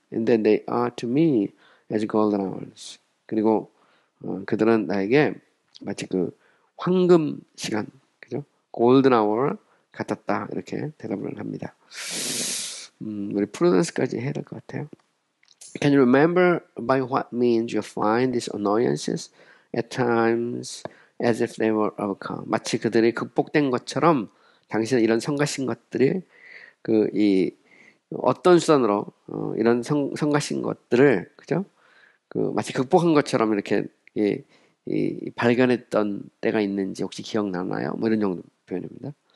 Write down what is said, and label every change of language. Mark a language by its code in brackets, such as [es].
[en] And then they are to me as golden hours. [ko] 그리고 그들은 나에게 마치 황금 시간, 그죠? Golden hour 같았다. 이렇게 대답을 합니다. 우리 프루던스까지 해야 될것 같아요. [en] Can you remember by what means you find these annoyances at times as if they were overcome? [ko] 마치 그들이 극복된 것처럼 당신은 이런 성가신 것들이 어떤 수단으로 이런 성가신 것들을 그죠? 마치 극복한 것처럼 이렇게 발견했던 때가 있는지 혹시 기억나나요? 뭐 이런 정도 표현입니다.